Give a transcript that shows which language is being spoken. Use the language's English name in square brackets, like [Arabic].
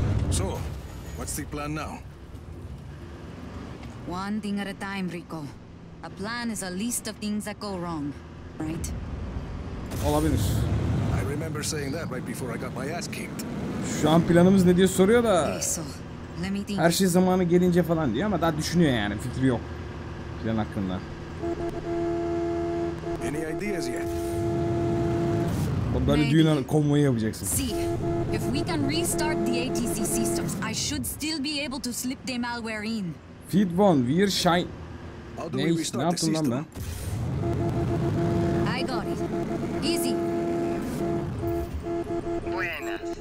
[English] So, what's the plan now? One thing at a time, Rico. A plan is a list of things that go wrong, right? [Turkish] Olabilir. [English] I remember saying that right before I got my ass kicked. [Turkish] Şu an planımız ne diye soruyor da. Her şey zamanı gelince falan diyor ama daha düşünüyor yani, fikri yok plan hakkında. [English] Any ideas yet? [Turkish] Böyle düğün konvoyu yapacaksın. [English] See, if we can restart the ATC systems, I should still be able to slip the malware in. Feed one, we're shine. [Turkish] Ne iş? Ne yaptın lan ben? [English] I got it. Easy. [Spanish] Buenas.